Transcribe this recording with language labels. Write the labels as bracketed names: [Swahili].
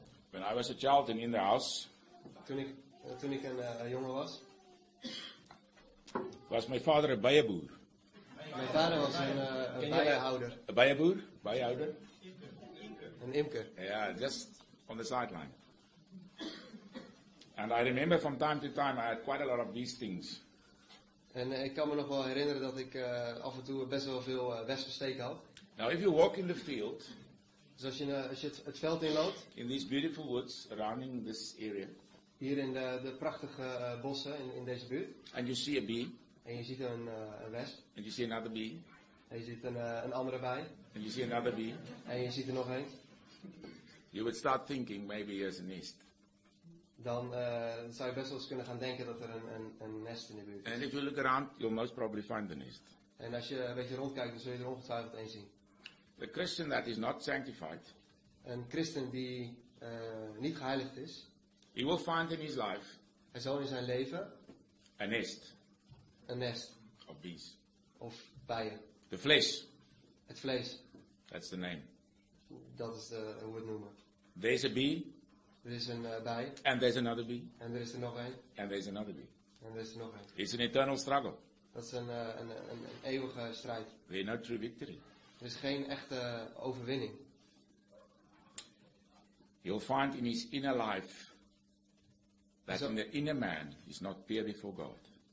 [English] When I was a child and in the house. [Dutch] Toen ik een jongen was. [English] Was my father a bijenboer. [Dutch] Mijn vader was een bijenhouder. A bijenboer? Bijenhouder? Een imker. [English] Ja, yeah, just on the sideline. And I remember from time to time I had quite a lot of these things. [Dutch] En ik kan me nog wel herinneren dat ik af en toe best wel veel wespensteken had. [English] Now if you walk in the field. [Dutch] Dus als je het veld inloopt. [English] In these beautiful woods surrounding this area. [Dutch] Hier in de prachtige bossen in deze buurt. [English] And you see a bee. [Dutch] En je ziet een wesp. [English] And you see another bee. [Dutch] En je ziet een andere bij. [English] And you see another bee. [Dutch] En je ziet er nog een. [English] You would start thinking maybe there's a nest. [Dutch] Dan zou je best wel eens kunnen gaan denken dat er een nest in de buurt is. [English] And if you look around, you'll most probably find the nest. [Dutch] En als je een beetje rondkijkt, dan zul je er ongetwijfeld een zien. [English] The Christian that is not sanctified. [Dutch] Een christen die niet geheiligd is. [English] He will find in his life. [Dutch] Hij zal in zijn leven. [English] A nest. [Dutch] Een nest. [English] Of bees. [Dutch] Of bijen. [English] The flesh. [Dutch] Het vlees. [English] That's the name. [Dutch] Dat is hoe we het noemen. [English] There's a bee. [Dutch] Er is een bij. [English] And there's another bee. [Dutch] En er is er nog een. [English] And there's another bee. [Dutch] En er is er nog een. [English] It's an eternal struggle. [Dutch] Dat is een eeuwige strijd. [English] There's no true victory. [Dutch] Er is geen echte overwinning. [English] You'll find in his inner life that in the inner man is not pure before God.